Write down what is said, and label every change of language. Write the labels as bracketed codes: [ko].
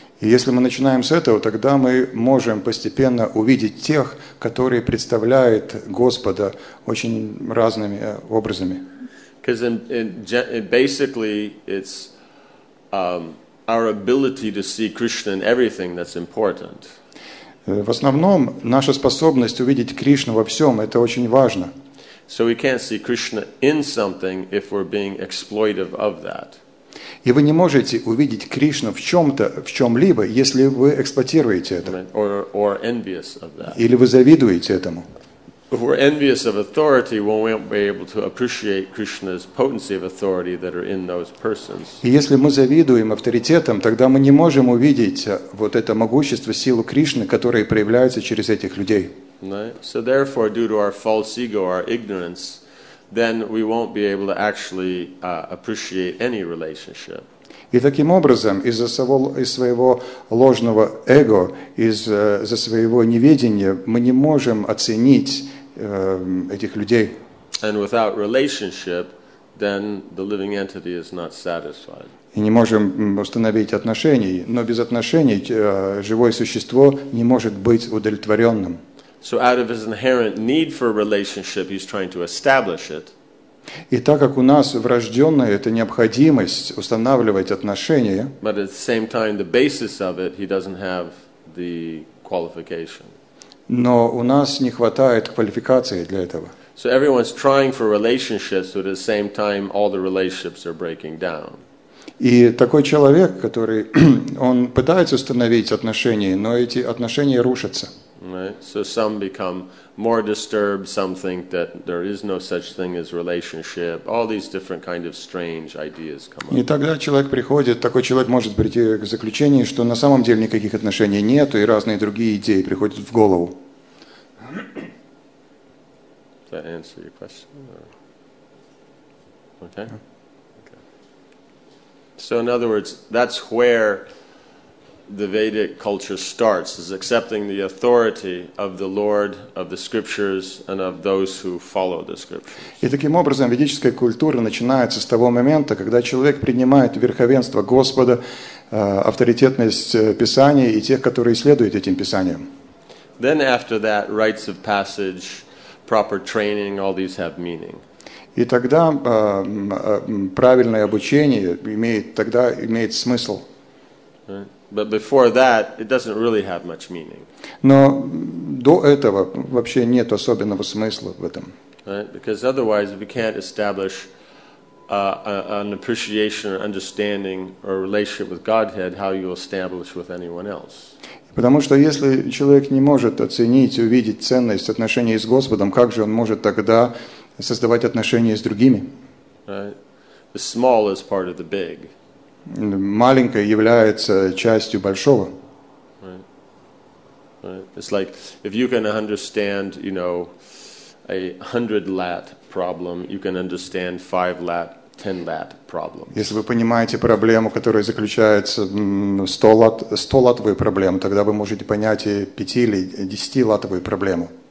[ru] И если мы начинаем с этого, тогда мы можем постепенно увидеть тех, которые представляют Господа очень разными образами. [en] Because basically it's our ability to see Krishna in everything that's important. [ru] В основном наша способность увидеть Кришну во всем, это очень важно. [en] So we can't see Krishna in something if we're being exploitive of that. [ru] И вы не можете увидеть Кришну в чем-то, в чем-либо, если вы эксплуатируете это. [en] Or envious of that. [ru] Или вы завидуете этому. [en] If we're envious of authority, we won't be able to appreciate Krishna's potency of authority that are in those persons. [ru] И если мы завидуем авторитетам, тогда мы не можем увидеть вот это могущество, силу Кришны, которая проявляется через этих людей. [en] Right. So therefore, due to our false ego, our ignorance, then we won't be able to actually appreciate any relationship. [ru] И таким образом, из-за своего ложного эго, из-за своего неведения, мы не можем оценить этих людей. [en] And without relationship, then the living entity is not satisfied. [ru] И не можем установить отношений, но без отношений живое существо не может быть удовлетворенным. [en] So out of his inherent need for a relationship, he's trying to establish it. [ru] И так как у нас врожденная эта необходимость устанавливать отношения, [en] but at the same time, the basis of it, he doesn't have the qualification. [ru] Но у нас не хватает квалификации для этого. [en] So everyone's trying for relationships, but at the same time, all the relationships are breaking down. [ru] И такой человек, который, он пытается установить отношения, но эти отношения рушатся. [en] Right. So some become more disturbed, some think that there is no such thing as relationship. All these different kind of strange ideas come up. [ru] И тогда человек приходит, такой человек может прийти к заключению, что на самом деле никаких отношений нет, и разные другие идеи приходят в голову. [en] Does that answer your question? Okay. So in other words, that's where the Vedic culture starts, is accepting the authority of the Lord, of the scriptures, and of those who follow the scriptures. [ru] И таким образом ведическая культура начинается с того момента, когда человек принимает верховенство Господа, авторитетность Писания и тех, которые следуют этим Писаниям. [en] Then after that, rites of passage, proper training, all these have meaning. [ru] И тогда правильное обучение имеет смысл. [en] But before that, it doesn't really have much meaning. [ru] Но до этого вообще нет особенного смысла в этом. [en] Right? Because otherwise we can't establish an appreciation or understanding or relationship with Godhead, how you establish with anyone else. [ru] Потому что если человек не может оценить, увидеть ценность отношений с Господом, как же он может тогда создавать отношения с другими? [en] Right? The small is part of the big. [ru] Маленькое является частью большого. [en] Right. Right. It's like if you can understand, you know, a 100 lat problem, you can understand 5 lat in that problem. [ru] Если вы понимаете проблему, которая заключается в 100-латовой проблеме, тогда вы можете понять и 5- или 10-латовую проблему.